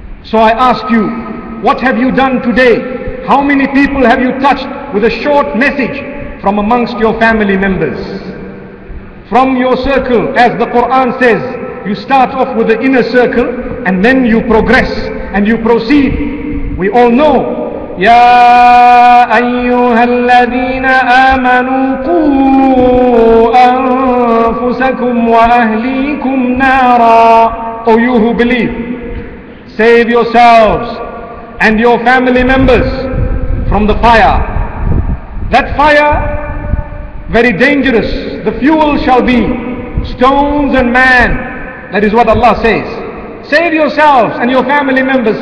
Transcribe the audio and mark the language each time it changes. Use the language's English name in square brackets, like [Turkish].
[English] So I ask you, what have you done today? How many people have you touched with a short message from amongst your family members? From your circle, as the Quran says, you start off with the inner circle and then you progress and you proceed. We all know, [Arabic] يَا أَيُّهَا الَّذِينَ آمَنُوا قُوا أَنفُسَكُمْ وَأَهْلِيكُمْ نَارًا. [English] Oh, you who believe, save yourselves and your family members from the fire. That fire, very dangerous. The fuel shall be stones and man. That is what Allah says. Save yourselves and your family members.